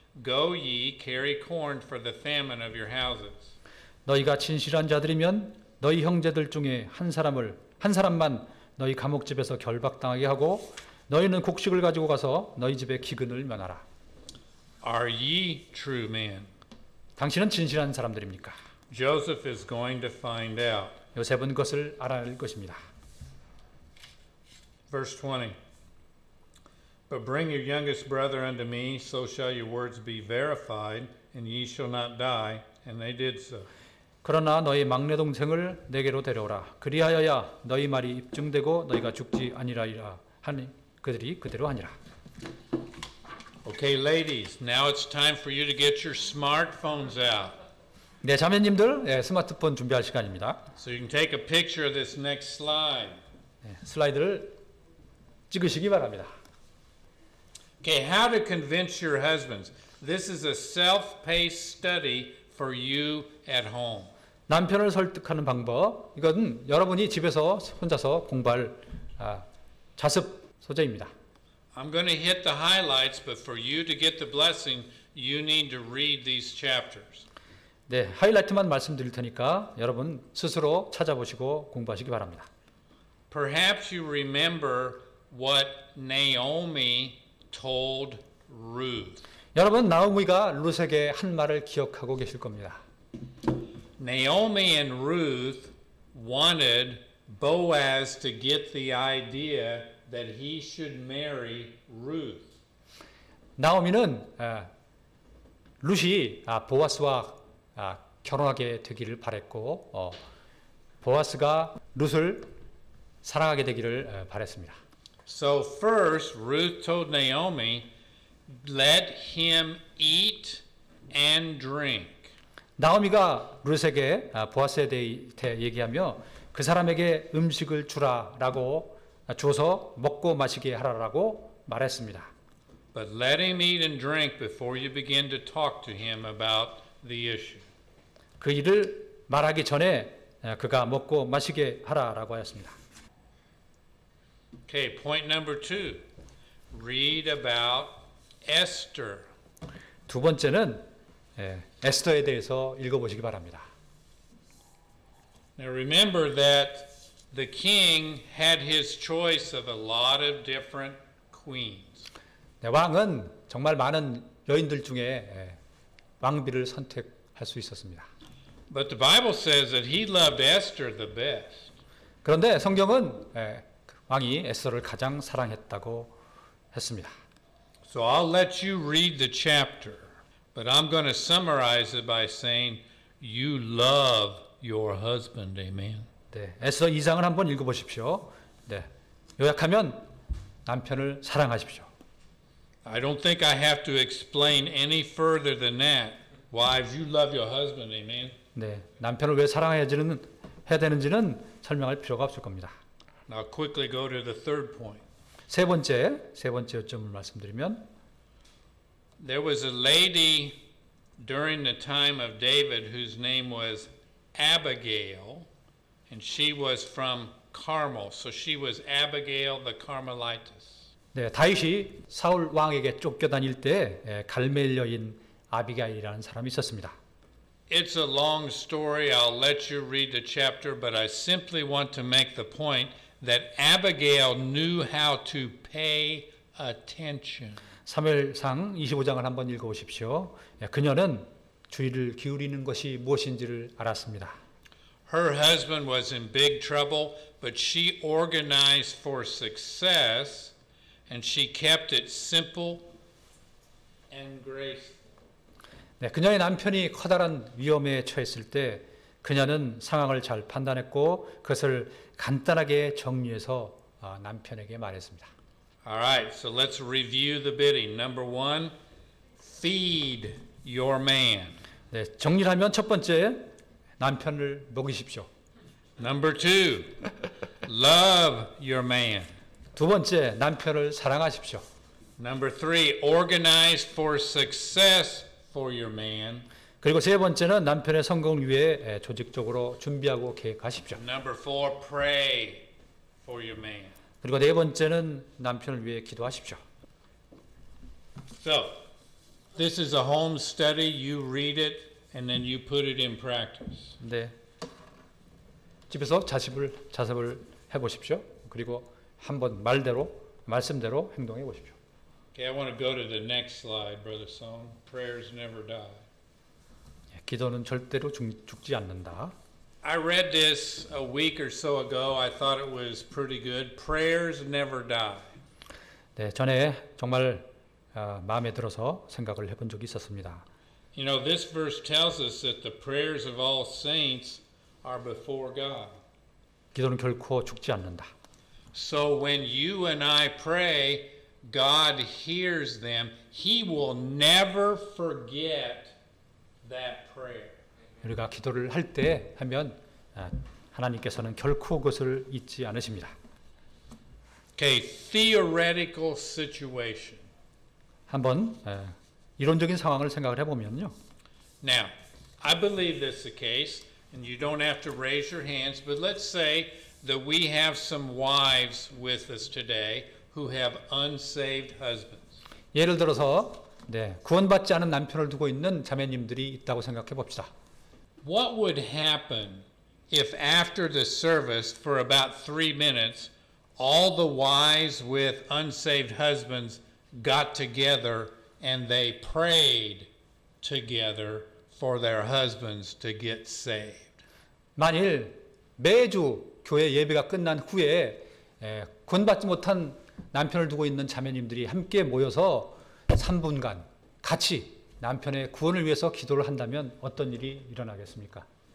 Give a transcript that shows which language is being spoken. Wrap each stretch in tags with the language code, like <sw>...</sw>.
<en>Go ye, carry corn for the famine of your houses.</en> <ko>너희가 진실한 자들이면 너희 형제들 중에 한 사람만 너희 감옥집에서 결박당하게 하고 너희는 곡식을 가지고 가서 너희 집에 기근을 면하라.</ko> <en>Are ye true men?</en> <ko>당신은 진실한 사람들입니까?</ko> <en>Joseph is going to find out.</en> <ko>요셉은 그것을 알아낼 것입니다.</ko> <en>Verse 20. But bring your youngest brother unto me, so shall your words be verified, and ye shall not die. And they did so.</en> <ko>그러나 너희 막내 동생을 내게로 데려오라. 그리하여야 너희 말이 입증되고 너희가 죽지 아니하리라 하니 그들이 그대로 하니라.</ko> <en>Okay, ladies, now it's time for you to get your smartphones out.</en> <ko>네, 자매님들, 네, 스마트폰 준비할 시간입니다.</ko> <en>So you can take a picture of this next slide.</en> <ko>네, 슬라이드를 찍으시기 바랍니다.</ko> <en>Okay, how to convince your husbands. This is a self-paced study for you at home.</en> <ko>남편을 설득하는 방법. 이건 여러분이 집에서 혼자서 공부할 자습 소재입니다.</ko> <en>I'm going to hit the highlights, but for you to get the blessing, you need to read these chapters.</en> <ko>네, 하이라이트만 말씀드릴 테니까 여러분 스스로 찾아보시고 공부하시기 바랍니다.</ko> <en>Perhaps you remember what Naomi told Ruth.</en> <ko>여러분 나오미가 룻에게 한 말을 기억하고 계실 겁니다.</ko> <en>Naomi and Ruth wanted Boaz to get the idea that he should marry Ruth.</en> <ko>나오미는 룻이 보아스와 결혼하게 되기를 바랬고 보아스가 룻을 사랑하게 되기를 바랬습니다.</ko> <en>So first, Ruth told Naomi, "Let him eat and drink."</en> <ko>나오미가 룻에게 보아스에 대해 얘기하며 그 사람에게 음식을 주라라고 줘서 먹고 마시게 하라라고 말했습니다.</ko> <en>But let him eat and drink before you begin to talk to him about the issue.</en> <ko>그 일을 말하기 전에 그가 먹고 마시게 하라라고 하였습니다.</ko> <en>Okay, point number two. Read about Esther.</en> <ko>두 번째는 에스더에 대해서 읽어보시기 바랍니다.</ko> <en>Now remember that the king had his choice of a lot of different queens.</en> <ko>네, 왕은 정말 많은 여인들 중에 왕비를 선택할 수 있었습니다.</ko> <en>But the Bible says that he loved Esther the best.</en> <ko>그런데 성경은 왕이 에스더를 가장 사랑했다고 했습니다.</ko> <en>So I'll let you read the chapter, but I'm going to summarize it by saying you love your husband. Amen.</en> <ko>네, 에스더 2장을 한번 읽어 보십시오. 네. 요약하면 남편을 사랑하십시오.</ko> <en>I don't think I have to explain any further than that. Wives, you love your husband. Amen.</en> <ko>네. 남편을 왜 사랑해야지는 해야 되는지는 설명할 필요가 없을 겁니다.</ko> <en>Now quickly go to the third point.</en> <ko>세 번째 요점을 말씀드리면</ko> <en>There was a lady during the time of David whose name was Abigail and she was from Carmel. So she was Abigail the Carmelitess.</en> <ko>네, 다윗이 사울 왕에게 쫓겨다닐 때 갈멜 여인 아비가일이라는 사람이 있었습니다.</ko> <en>It's a long story. I'll let you read the chapter, but I simply want to make the point that Abigail knew how to pay attention.</en> <ko>사무엘상 25장을 한번 읽어 보십시오. 그녀는 주의를 기울이는 것이 무엇인지를 알았습니다.</ko> <en>Her husband was in big trouble, but she organized for success. And she kept it simple and graceful.</en> <ko>네, 그녀의 남편이 커다란 위험에 처했을 때 그녀는 상황을 잘 판단했고 그것을 간단하게 정리해서 남편에게 말했습니다.</ko> <en>All right, so let's review the bidding. Number one, feed your man.</en> <ko>네, 정리를 하면 첫 번째, 남편을 먹이십시오.</ko> <en>Number two, love your man.</en> <ko>두 번째, 남편을 사랑하십시오.</ko> <en>Number three, organize for success for your man.</en> <ko>그리고 세 번째는 남편의 성공을 위해 조직적으로 준비하고 계획하십시오.</ko> <en>Number four, pray for your man.</en> <ko>그리고 네 번째는 남편을 위해 기도하십시오.</ko> <en>So, this is a home study. You read it and then you put it in practice.</en> <ko>네. 집에서 자습을 해 보십시오. 그리고 한번 말씀대로 행동해 보십시오.</ko> <en>Okay, I want to go to the next slide, Brother Song. Prayers never die.</en> <ko>예, 기도는 절대로 죽지 않는다.</ko> <en>I read this a week or so ago. I thought it was pretty good. Prayers never die.</en> <ko>네, 전에 정말 마음에 들어서 생각을 해본 적이 있었습니다.</ko> <en>You know, this verse tells us that the prayers of all saints are before God.</en> <ko>기도는 결코 죽지 않는다.</ko> <en>So when you and I pray, God hears them. He will never forget that prayer.</en> <ko>우리가 기도를 할 때 하면 하나님께서는 결코 그것을 잊지 않으십니다.</ko> <en>Okay, theoretical situation.</en> <ko>한번 이론적인 상황을 생각을 해보면요.</ko> <en>Now, I believe this is the case, and you don't have to raise your hands, but let's say that we have some wives with us today who have unsaved husbands.</en> <ko>예를 들어서 네, 구원받지 않은 남편을 두고 있는 자매님들이 있다고 생각해 봅시다.</ko> <en>What would happen if after the service for about 3 minutes all the wives with unsaved husbands got together and they prayed together for their husbands to get saved?</en> <ko>만일 매주 교회 예배가 끝난 후에 구원받지 못한 남편을 두고 있는 자매님들이 함께 모여서 3분간 같이 남편의 구원을 위해서 기도를 한다면 어떤 일이 일어나겠습니까?</ko>